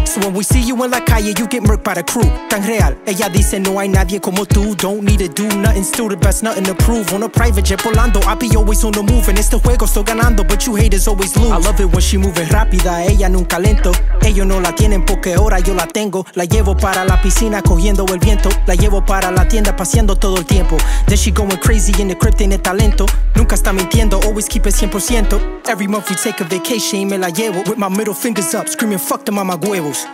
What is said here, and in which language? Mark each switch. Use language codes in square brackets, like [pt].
[en] So when we see you in [es] la calle, [en] you get murked by the crew. [es] Tan real, ella dice no hay nadie como tú. [en] Don't need to do nothing, still the best, nothing to prove. On a private jet [es] volando, [en] I be always on the move. [es] En este juego estoy ganando, [en] but you haters always lose. I love it when she moving [es] rápida, ella nunca lento. Ellos no la tienen porque ahora yo la tengo. La llevo para la piscina cogiendo el viento. La llevo para la tienda paseando todo el tiempo. [en] Then she going crazy. Crazy in the crypt, [es] tiene talento. Nunca está mintiendo, [en] always keep it 100%. Every month we take a vacation [es] y me la llevo. [en] With my middle fingers up, screaming fuck the [es] mama huevos.